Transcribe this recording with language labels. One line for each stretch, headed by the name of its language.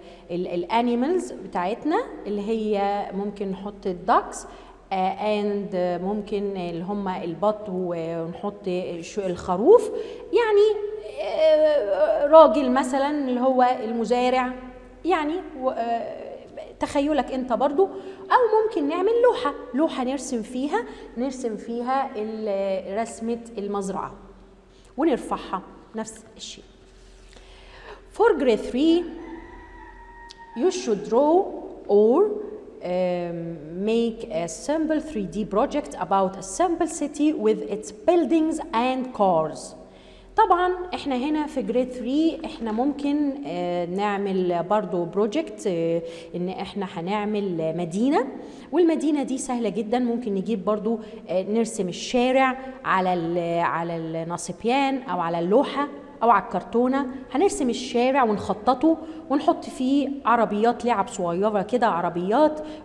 Arabic: الانيمالز بتاعتنا اللي هي ممكن نحط الدكس and ممكن اللي هم البط ونحط الخروف يعني راجل مثلا اللي هو المزارع يعني تخيلك انت برضو او ممكن نعمل لوحة نرسم فيها رسمة المزرعة ونرفعها نفس الشيء.
English: For grade 3, you should draw or make a simple 3D project about a simple city with its buildings and cars.
Arabic: طبعا احنا هنا في grade 3 احنا ممكن نعمل برضو project ان احنا هنعمل مدينة والمدينة دي سهلة جدا ممكن نجيب برضو نرسم الشارع على النصبيان او على اللوحة او على الكرتونة هنرسم الشارع ونخططه ونحط فيه عربيات لعب صغيرة كده عربيات